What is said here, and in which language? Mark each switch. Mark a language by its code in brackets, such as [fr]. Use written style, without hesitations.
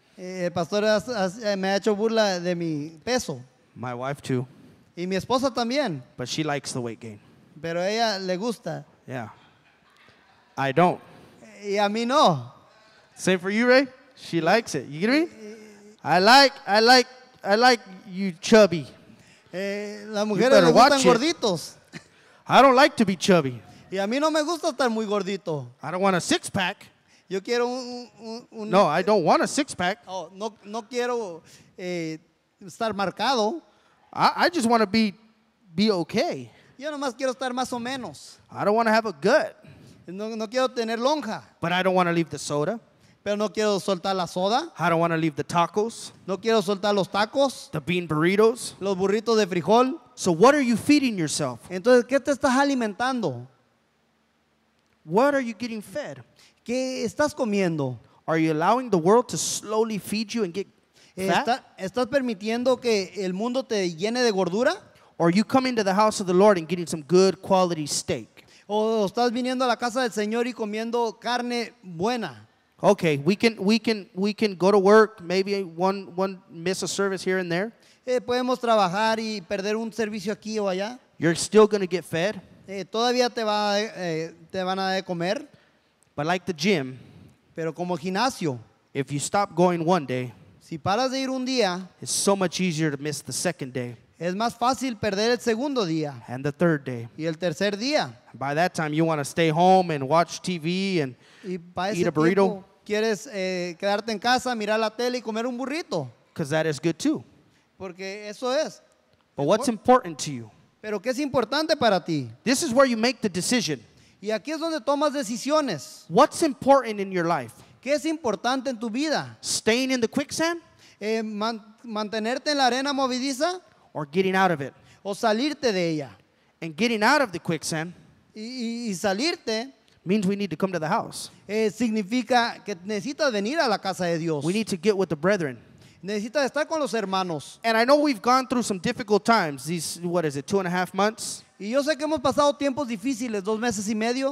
[es] El pastor me ha hecho burla de mi peso. [en] My wife too. [es] Y mi esposa también. [en] But she likes the weight gain. [es] Pero a ella le gusta. [en] Yeah. I don't. [es] Y a mí no. [en] Same for you, Ray. She likes it. You get me? I like you chubby. [es] Las mujeres les gustan gorditos. [en] I don't like to be chubby. [es] Y a mí no me gusta estar muy gordito. [en] I don't want a six pack. [es] Yo quiero un [en] no, I don't want a six pack. [es] No quiero estar marcado. [en] I just want to be okay. [es] Yo nomás quiero estar más o menos. [en] I don't want to have a gut. [es] No quiero tener lonja. [en] But I don't want to leave the soda. [es] Pero no quiero soltar la soda. [en] I don't want to leave the tacos. [es] No quiero soltar los tacos. [en] The bean burritos. [es] Los burritos de frijol. [en] So what are you feeding yourself? [es] Entonces, ¿qué te estás alimentando? [en] What are you getting fed? [es] ¿Qué estás comiendo? [en] Are you allowing the world to slowly feed you and get [es] ¿Estás permitiendo que el mundo te llene de gordura? [en] Or are you coming to the house of the Lord and getting some good quality steak? [es] ¿O estás viniendo a la casa del Señor y comiendo carne buena? [en] Okay, we can go to work, maybe one miss a service here and there. [es] Podemos trabajar y perder un servicio aquí o allá. [en] You're still going to get fed. [es] Todavía te van a dar de comer. [en] But like the gym, [es] pero como gimnasio, [en] if you stop going one day, [es] si paras de ir un día, [en] it's so much easier to miss the second day. [es] Es más fácil perder el segundo día. [en] And the third day. [es] Y el tercer día. [en] By that time you want to stay home and watch TV and eat a burrito. [es] Quieres quedarte en casa, mirar la tele y comer un burrito. [en] Because that is good too. [es] Porque eso es. [en] But what's important to you? [es] Pero ¿qué es importante para ti? [en] This is where you make the decision. [es] Y aquí es donde tomas decisiones. [en] What's important in your life? [es] ¿Qué es importante en tu vida? [en] Staying in the quicksand? [es] Mantenerte en la arena movidiza. [en] Or getting out of it. [es] O salirte de ella. [en] And getting out of the quicksand. [es] Y salirte. [en] Means we need to come to the house. [es] Significa que necesitas venir a la casa de Dios. [en] We need to get with the brethren. [es] Necesitas estar con los hermanos. [en] And I know we've gone through some difficult times. Two and a half months. [es] Y yo sé que hemos pasado tiempos difíciles, dos meses y medio.